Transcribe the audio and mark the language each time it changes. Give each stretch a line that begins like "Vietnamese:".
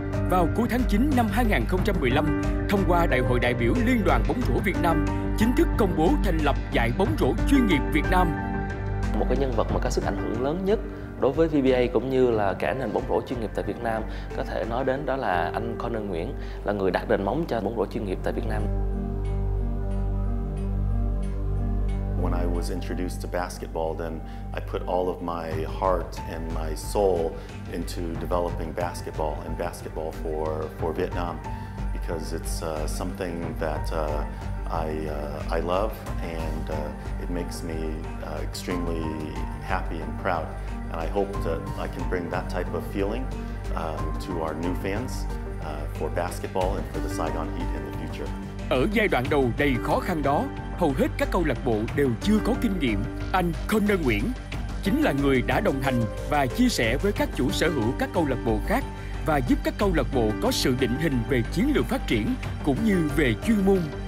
Vietnamese: Vào cuối tháng 9 năm 2015, thông qua Đại hội đại biểu Liên đoàn bóng rổ Việt Nam chính thức công bố thành lập giải bóng rổ chuyên nghiệp Việt Nam. Một cái nhân vật mà có sức ảnh hưởng lớn nhất đối với VBA cũng như là cả nền bóng rổ chuyên nghiệp tại Việt Nam có thể nói đến đó là anh Conor Nguyễn, là người đặt nền móng cho bóng rổ chuyên nghiệp tại Việt Nam.
English: when I was introduced to basketball, then I put all of my heart and my soul into developing basketball and basketball for Vietnam, because it's something that I love, and it makes me extremely happy and proud. And I hope that I can bring that type of feeling to our new fans for basketball and for the Saigon Heat in the future.
Vietnamese: Ở giai đoạn đầu đầy khó khăn đó, hầu hết các câu lạc bộ đều chưa có kinh nghiệm. Anh Conner Nguyễn chính là người đã đồng hành và chia sẻ với các chủ sở hữu các câu lạc bộ khác và giúp các câu lạc bộ có sự định hình về chiến lược phát triển cũng như về chuyên môn.